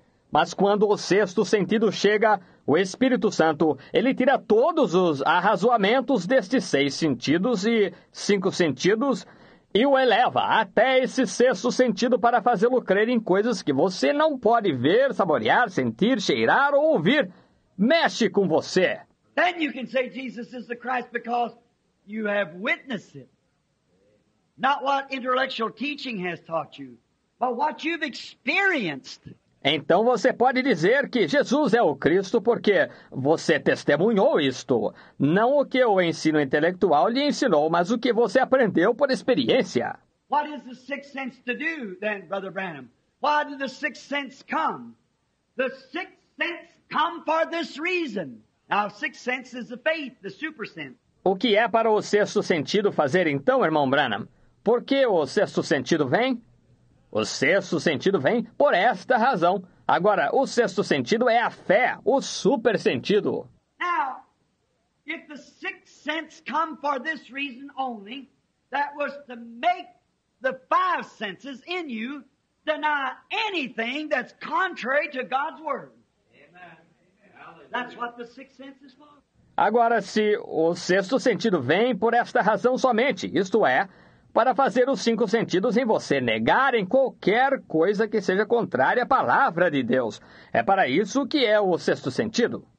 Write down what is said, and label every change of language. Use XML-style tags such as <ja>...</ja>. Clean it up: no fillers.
<pt>Mas quando o sexto sentido chega, o Espírito Santo, ele tira todos os arrazoamentos destes seis sentidos e cinco sentidos e o eleva até esse sexto sentido para fazê-lo crer em coisas que você não pode ver, saborear, sentir, cheirar ou ouvir. Mexe com você.</pt> <en>Then you can say Jesus is the Christ because you have witnessed it. Not what intellectual teaching has taught you, but what you've experienced.</en> <pt>Então você pode dizer que Jesus é o Cristo porque você testemunhou isto. Não o que o ensino intelectual lhe ensinou, mas o que você aprendeu por experiência.</pt> <en>What is the sixth sense to do then, Brother Branham? Why did the sixth sense come? The sixth sense come for this reason. Now, sixth sense is the faith, the super sense.</en> <pt>O que é para o sexto sentido fazer então, irmão Branham? Por que o sexto sentido vem? O sexto sentido vem por esta razão. Agora, o sexto sentido é a fé, o super sentido.</pt> <en>Now, if the sixth sense come for this reason only, that was to make the five senses in you deny anything that's contrary to God's word. That's what the sixth sense is for.</en> <pt>Agora, se o sexto sentido vem por esta razão somente, isto é, para fazer os cinco sentidos em você negarem qualquer coisa que seja contrária à palavra de Deus. É para isso que é o sexto sentido.</pt>